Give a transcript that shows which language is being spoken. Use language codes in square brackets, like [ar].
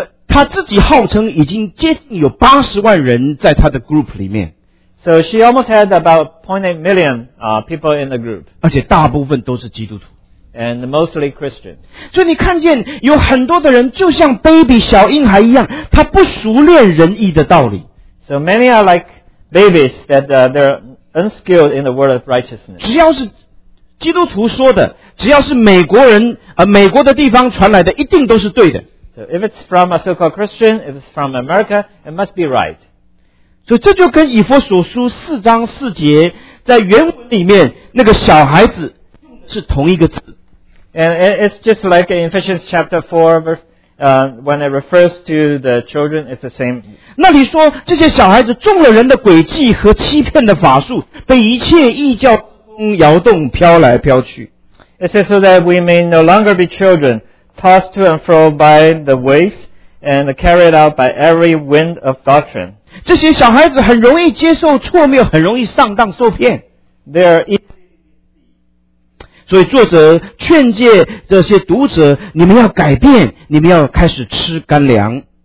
[zh] 她自己号称已经接近有80万人在她的 group 里面。 [en] So she almost had about 0.8 million people in the group. [zh] 而且大部分都是基督徒。 [en] And mostly Christians. [zh] 所以你看见有很多的人就像 baby 小婴孩一样，他不熟练仁义的道理。 [en] So many are like babies that they're unskilled in the word of righteousness. [zh] 只要是基督徒说的，只要是美国人美国的地方传来的，一定都是对的。 [en] So if it's from a so-called Christian, if it's from America, it must be right. [zh] 所以这就跟以弗所书四章四节在原文里面那个小孩子是同一个字。 [en] And it's just like in Ephesians chapter 4, verse, when it refers to the children, it's the same. [zh] 那里说这些小孩子中了人的诡计和欺骗的法术，被一切异教摇动飘来飘去。 [en] It says so that we may no longer be children, tossed to and fro by the waves, and carried out by every wind of doctrine. [zh] 这些小孩子很容易接受错谬，很容易上当受骗。所以作者劝诫这些读者，你们要改变，你们要开始吃干粮。